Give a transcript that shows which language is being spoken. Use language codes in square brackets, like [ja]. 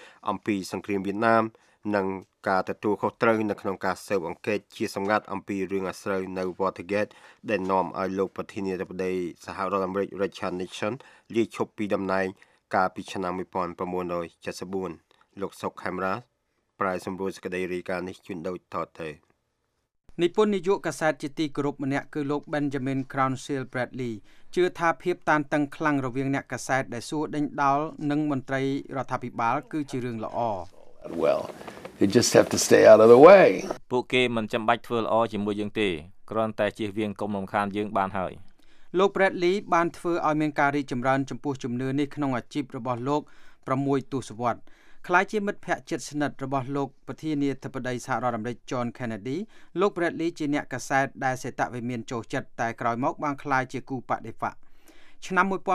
[km] អំពីសង្គ្រាមវៀតណាមនិងការទទួលខុសត្រូវនៅក្នុងការស៊ើបអង្កេតជាសម្ងាត់អំពីរឿងអាស្រូវនៅ Watergate ដែលនាំឲ្យលោកប្រធានាធិបតីសហរដ្ឋអាមេរិក Richard Nixon លាឈប់ពីតំណែងកាលពីឆ្នាំ1974លោកសុកខេមរ៉ាប្រាយសម្បួរសក្តីរីការនេះជួនដូចតទៅ និពន្ធនាយកកាសែតជាទីគោរពម្នាក់គឺលោក Benjamin Crownsill Bradley ជឿថាភាពតានតឹងខ្លាំងរវាងអ្នកកាសែតដែលសួរដេញដោលនិងមន្ត្រីរដ្ឋាភិបាលគឺជារឿងល្អ [en] Well, you just have to stay out of the way. [km] ពួកគេមិនចាំបាច់ធ្វើល្អជាមួយយើងទេគ្រាន់តែជៀសវាងកុំរំខានយើងបានហើយ លោក Bradley បានធ្វើឲ្យមានការរីកចម្រើនចំពោះជំនឿនេះក្នុងអាជីពរបស់លោក6ទសវត្សរ៍ខ្ល้ายជាមិត្តភក្តិជិតស្និទ្ធរបស់លោកប្រធានាធិបតីសហរដ្ឋអាមេរិក John Kennedy លោក Bradley ជាអ្នកកាសែតដែលសេតវិមានចោះចិត្តតែក្រោយមកបានខ្ល้ายជាគូបដិវត្តឆ្នាំ